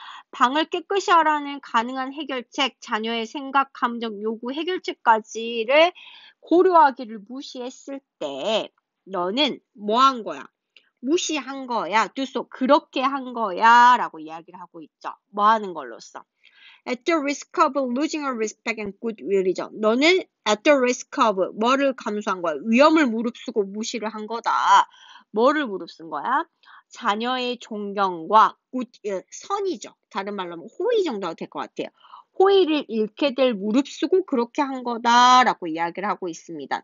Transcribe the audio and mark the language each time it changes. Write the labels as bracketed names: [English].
[Korean] 방을 깨끗이 하라는 가능한 해결책, 자녀의 생각, 감정, 요구, 해결책까지를 고려하기를 무시했을 때, 너는 뭐한 거야? 무시한 거야? 두서 그렇게 한 거야? 라고 이야기를 하고 있죠. 뭐 하는 걸로써? [English] At the risk of losing your respect and goodwill이죠. [Korean] 너는 at the risk of 뭐를 감수한 거야? 위험을 무릅쓰고 무시를 한 거다. 뭐를 무릅쓴 거야? 자녀의 존경과 굿윌, 선이죠. 다른 말로 하면 호의 정도 될것 같아요. 호의를 잃게 될 무릅쓰고 그렇게 한 거다라고 이야기를 하고 있습니다.